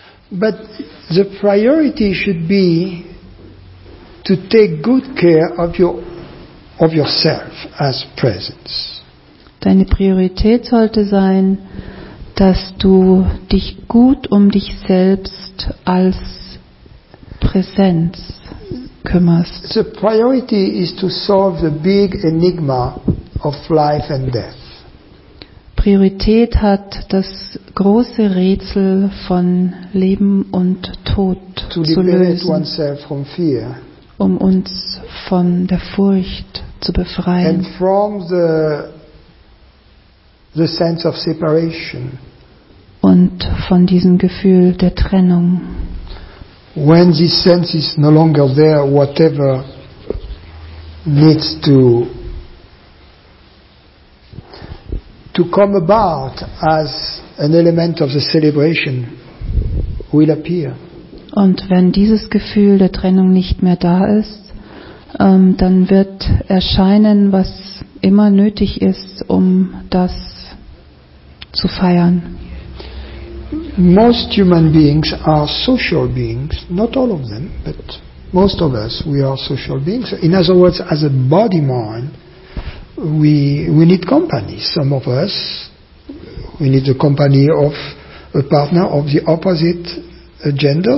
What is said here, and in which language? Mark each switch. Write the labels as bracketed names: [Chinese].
[English] But the priority should be to take good care of yourself as presence. [German] Deine Priorität sollte sein, dass du dich gut um dich selbst als Präsenz kümmerst. [English] The priority is to solve the big enigma of life and death. [German] Priorität hat das große Rätsel von Leben und Tod [English] to [German] zu lösen. [English] Oneself from fear. [German] Um uns von der Furcht zu befreien. [English] And from the sense of separation. [German] Und von diesem Gefühl der Trennung. [English] When this sense is no longer there, whatever needs to come about as an element of the celebration will appear. [German] Und wenn dieses Gefühl der Trennung nicht mehr da ist, dann wird erscheinen, was immer nötig ist, um das zu feiern. [English] Most human beings are social beings, not all of them, but most of us, we are social beings. In other words, as a body mind, we need company. Some of us, we need the company of a partner of the opposite gender.